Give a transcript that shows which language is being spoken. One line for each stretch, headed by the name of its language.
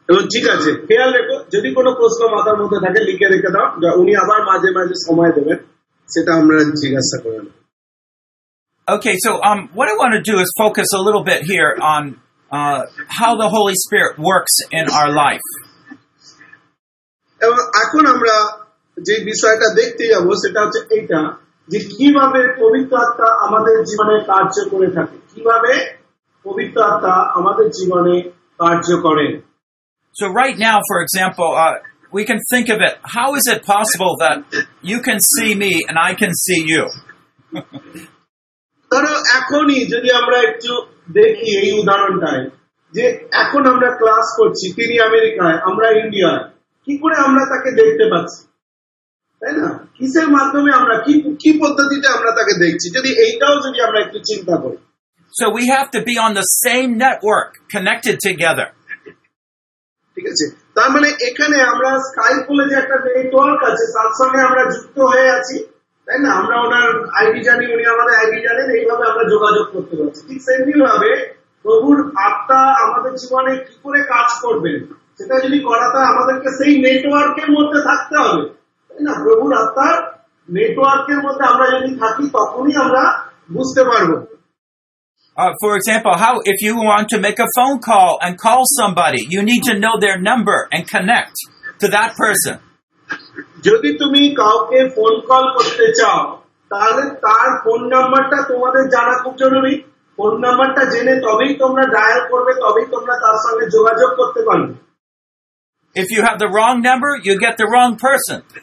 Bangla: এবং ঠিক আছে, খেয়াল রেখো, যদি কোনো প্রশ্ন মাথার মধ্যে থাকে লিখে রেখে দাও, উনি আবার মাঝে মাঝে সময় দেবেন, সেটা আমরা জিজ্ঞাসা করে নেব।
English: Okay, so what I want to do is focus a little bit here on how the Holy Spirit works in our life.
Bangla: এবং এখন আমরা যে বিষয়টা দেখতে যাব সেটা হচ্ছে এইটা, যে কিভাবে পবিত্র আত্মা আমাদের জীবনে কার্য করে থাকে, কিভাবে পবিত্র আত্মা আমাদের জীবনে কার্য করে।
English: So right now, for example, we can think of it, how is it possible that you can see me and I can see you?
Bangla: ধরো এখনই যদি আমরা একটু দেখি এই উদাহরণটাই, যে এখন আমরা ক্লাস করছি, তিনি আমেরিকায় আমরা ইন্ডিয়ায়, কি করে আমরা তাকে দেখতে পাচ্ছি, তাই না? কিসের মাধ্যমে আমরা কি পদ্ধতিতে আমরা তাকে দেখছি, যদি এইটাও যদি আমরা একটু চিন্তা করি।
English: So we have to be on the same network, connected together.
Bangla: ঠিক আছে, তার মানে এখানে আমরা স্কাইপ বলে যে একটা নেটওয়ার্ক আছে, তার সঙ্গে আমরা যুক্ত হয়ে আছি, তাই না? আমরা ওনার আইডি জানি, উনি আমাদের আইডি জানেন, এইভাবে আমরা যোগাযোগ করতে পারছি। ঠিক সেমনি ভাবে প্রভুর আত্মা আমাদের জীবনে কি করে কাজ করবেন সেটা যদি করাতে হয় আমাদেরকে সেই নেটওয়ার্কের মধ্যে থাকতে হবে, না? প্রভুর আত্মার নেটওয়ার্কের মধ্যে আমরা যদি থাকি তখনই আমরা বুঝতে পারবো।
English: For example, if you want to make a phone call and call somebody, you need to know their number and connect to that person.
Bangla: যদি তুমি কাউকে ফোন কল করতে চাও তাহলে তার ফোন নাম্বারটা তোমাদের জানা খুব জরুরি। ফোন নাম্বারটা জেনে তবেই তোমরা ডায়াল করবে, তবেই তোমরা তার সঙ্গে যোগাযোগ করতে পারবে।
English: If you have the wrong number, you get the wrong person.